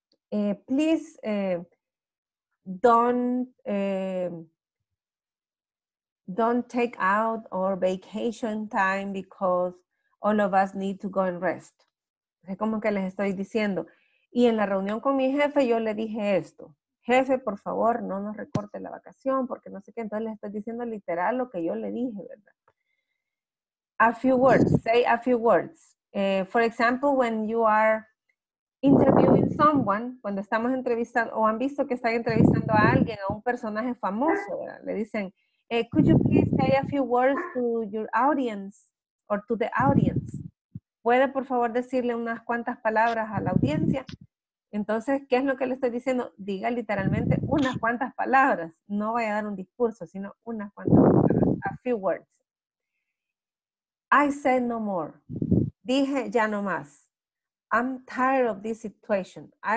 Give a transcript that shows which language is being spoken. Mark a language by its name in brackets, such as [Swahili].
[English] Please don't take out our vacation time because all of us need to go and rest. [Spanish] Es como que les estoy diciendo. Y en la reunión con mi jefe yo le dije esto. Jefe, por favor, no nos recorte la vacación porque no sé qué. Entonces les estoy diciendo literal lo que yo le dije, ¿verdad? [English] A few words. Say a few words. For example, when you are interviewing someone, [Spanish] cuando estamos entrevistando, o han visto que están entrevistando a alguien, a un personaje famoso, ¿verdad? Le dicen, [English] could you please say a few words to your audience or to the audience? [Spanish] ¿Puede, por favor, decirle unas cuantas palabras a la audiencia? Entonces, ¿qué es lo que le estoy diciendo? Diga literalmente unas cuantas palabras. No vaya a dar un discurso, sino unas cuantas palabras. [English] A few words. I said no more. [Spanish] Dije ya no más. [English] I'm tired of this situation.